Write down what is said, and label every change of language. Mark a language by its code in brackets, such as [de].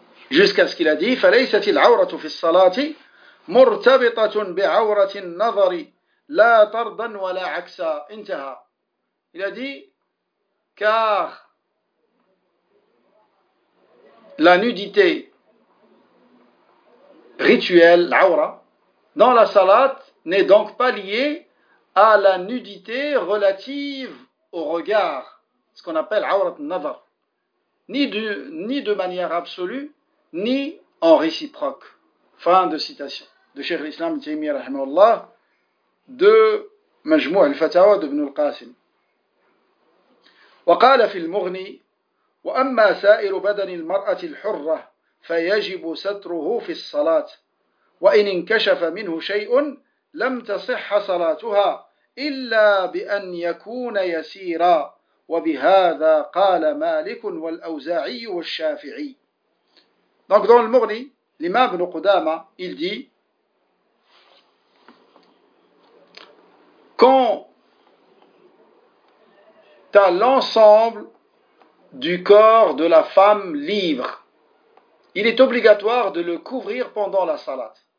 [fr] Jusqu'à ce qu'il a dit, [ar] فليست العورة في الصلاة مرتبطة بعورة النظر لا طردا ولا عكسا. انتهى. [fr] Il a dit, car la nudité rituelle, l'aura, dans la salat n'est donc pas liée à la nudité relative au regard, ce qu'on appelle عورة النظر, ni de manière absolue, ni en réciproque. Fin de citation. De Cheikh l'Islam, Taymiyyah rahimahullah, de Majmou' al-Fatawa de Ibn al-Qasim. [ar] وقال في المغني وأما سائر بدن المرأة الحرة فيجب ستره في الصلاة وإن انكشف منه شيء لم تصح صلاتها إلا بأن يكون يسيرا وبهذا قال مالك والأوزاعي والشافعي. [fr] Donc dans le Mughni, l'imam Ibn Qudama, il dit quand tu as l'ensemble du corps de la femme libre, il est obligatoire de le couvrir pendant la salat.